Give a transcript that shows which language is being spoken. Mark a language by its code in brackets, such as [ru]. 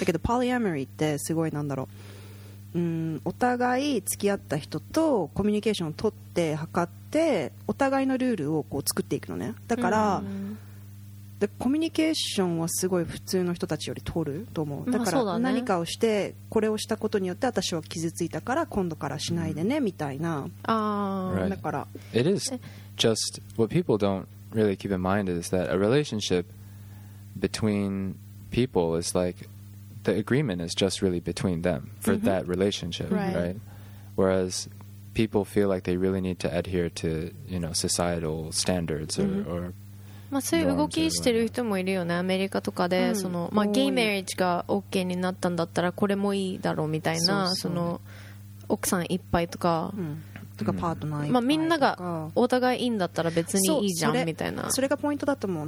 [ja] だけど、ポリアモリーってすごいなんだろう、うん、お互い付き合った人とコミュニケーションを取って、測って、でお互いのルールをこう作っていくのねだから、うん、でコミュニケーションはすごい普通の人たちより取ると思うだから何かをしてこれをしたことによって私は傷ついたから今度からしないでね、うん、みたいなあだから、 [en] right. It is just what people don't really keep in mind is that a relationship between people is like the agreement is just really between them for that relationship right. right whereasPeople feel like they really need to adhere to, you know, societal standards or, mm-hmm. or [ja] まあそういう動きしてる人もいるよね、アメリカとかで、うん、そのまあゲイメリッジが OK になったんだったらこれもいいだろうみたいな、そうそう、その奥さんいっぱいとか、うん、とかパートナーいっぱいとか、うん、まあみんながお互いいいんだったら別にいいじゃんみたいな、それがポイントだと思う。